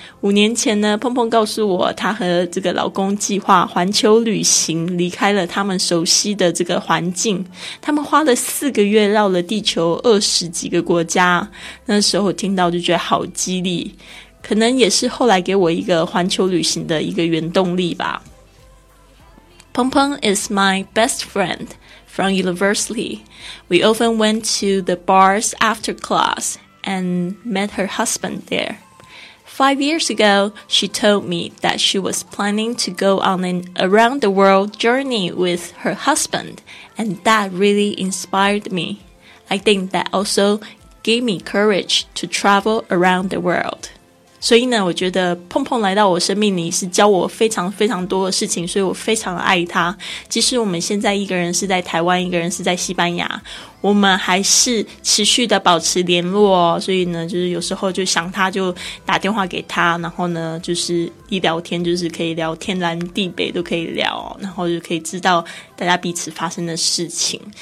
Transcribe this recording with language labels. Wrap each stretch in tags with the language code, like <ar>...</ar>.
<zh>五年前呢，碰碰告诉我他和这个老公计划环球旅行，离开了他们熟悉的这个环境，他们花了四个月绕了地球20几个国家。那时候我听到就觉得好激励，可能也是后来给我一个环球旅行的一个原动力吧。</zh> <en>Peng Peng is my best friend from university. We often went to the bars after class and met her husband there. 5 years ago, she told me that she was planning to go on an around-the-world journey with her husband, and that really inspired me. I think that also gave me courage to travel around the world.</en> <zh>所以呢，我觉得碰碰来到我生命里是教我非常非常多的事情，所以我非常爱他。即使我们现在一个人是在台湾，一个人是在西班牙，我们还是持续的保持联络哦。所以呢，就是有时候就想他就打电话给他，然后呢就是一聊天就是可以聊天南地北都可以聊，然后就可以知道大家彼此发生的事情。</zh>